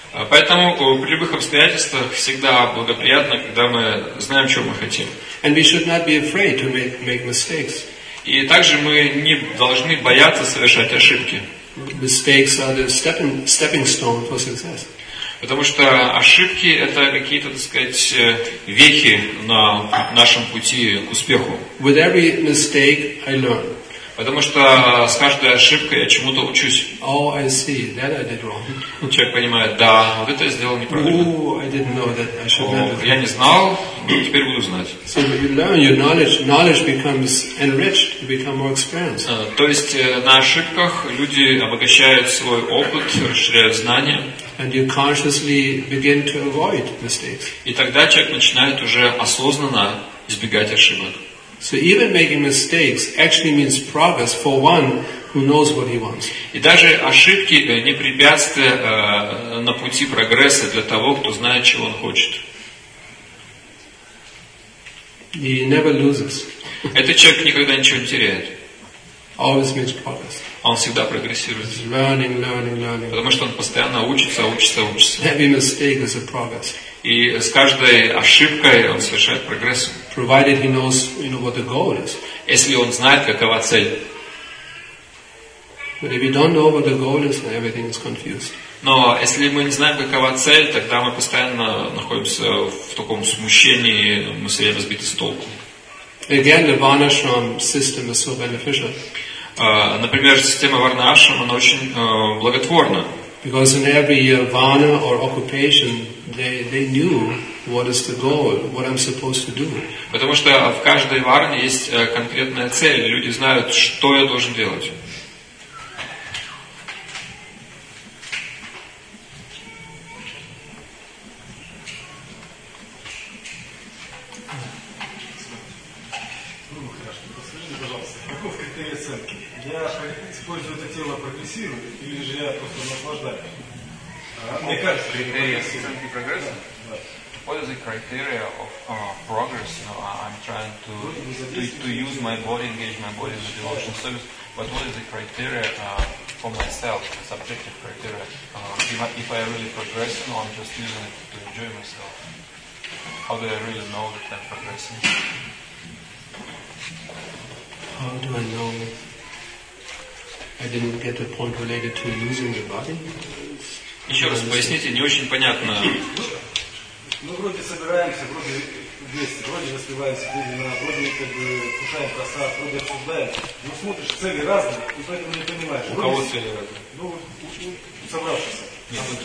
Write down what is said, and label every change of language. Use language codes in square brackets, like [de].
[ru] Поэтому при любых обстоятельствах всегда благоприятно, когда мы знаем, чего мы хотим. [en] And we should not be afraid to make mistakes. [ru] И также мы не должны бояться совершать ошибки. [en] Mistakes are the stepping stone for success. [ru] Потому что ошибки — это какие-то, так сказать, вехи на нашем пути к успеху. [en] With every mistake, I learn. [ru] Потому что с каждой ошибкой я чему-то учусь. [en] Oh, I see. That I did wrong. [ru] Человек понимает, да, вот это я сделал неправильно. [en] Oh, [ru] я не знал, но теперь буду знать. [en] So you learn, your knowledge becomes enriched, you become more experienced. [ru] То есть на ошибках люди обогащают свой опыт, расширяют знания. [en] And you consciously begin to avoid mistakes. [ru] И тогда человек начинает уже осознанно избегать ошибок. [en] So even making mistakes actually means progress for one who knows what he wants. [ru] И даже ошибки не препятствие на пути прогресса для того, кто знает, чего он хочет. [en] He never loses. [ru] Этот человек никогда ничего не теряет. [en] Always makes progress. [ru] Он всегда прогрессирует. [en] He's learning. [ru] Потому что он постоянно учится. [en] Every mistake is a progress. [ru] И с каждой ошибкой он совершает прогресс. [en] Provided he knows, you know, what the goal is. [ru] Если он знает, какова цель. [en] But if we don't know what the goal is, then everything is confused. [ru] Но если мы не знаем, какова цель, тогда мы постоянно находимся в таком смущении, мы все время сбиты с толку. [en] Again, the Varnashram system is so beneficial. [ru] Например, система Варнашрама, она очень благотворна. [en] Because in every vana or occupation, they knew what is the goal, what I'm supposed to do. [ru] Потому что в каждой варне есть конкретная цель, люди знают, что я должен делать. скажите, пожалуйста, каков критерий оценки? Я использую это тело прогрессирую или же я просто наслаждаюсь? Мне кажется, критерий оценки прогресса? [en] What is the criteria of progress? You know, I'm trying to use my body, engage my body in the devotional service. But what is the criteria for myself, subjective criteria? If I really progress, or I'm just using it to enjoy myself. How do I really know that I'm progressing? How do I know I didn't get the point related to using the body? [ru] Еще раз поясните, не очень понятно. Ну, вроде собираемся, вроде вместе, вроде распиваемся, вроде, на, вроде как бы кушаем просад, вроде обсуждаем. Но смотришь, цели разные, и поэтому не понимаешь. У вроде кого цели разные? Ну, собравшись.